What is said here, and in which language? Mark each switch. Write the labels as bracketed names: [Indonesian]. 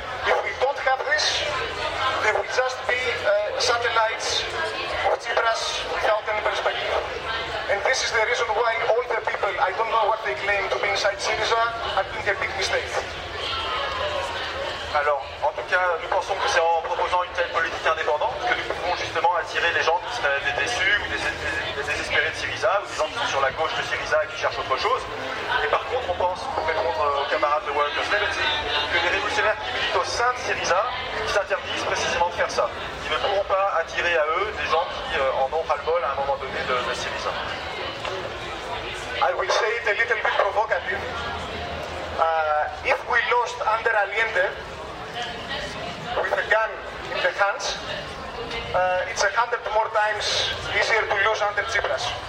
[English] If we don't have this, they will just be satellites of Tsipras without any perspective. And this is the reason why all the people, I don't know what they claim to be inside Syriza, are doing a big mistake. [French] Alors, en tout cas, nous pensons que c'est en proposant une telle politique indépendante que nous pouvons justement attirer les gens qui seraient des déçus ou des désespérés de Syriza ou des gens qui sont sur la gauche de Syriza et qui cherchent autre chose. Et par contre, on pense, pour répondre aux camarades de Workers Liberty, que les révolutionnaires qui militent au sein de Syriza s'interdisent précisément de faire ça. Ils ne pourront pas attirer à eux des gens qui en ont ras-le-bol à un moment donné de Syriza. [English] I will say it a little bit provocative. If we lost under Allende with a gun in the hands, it's 100 more times easier to lose under Tsipras.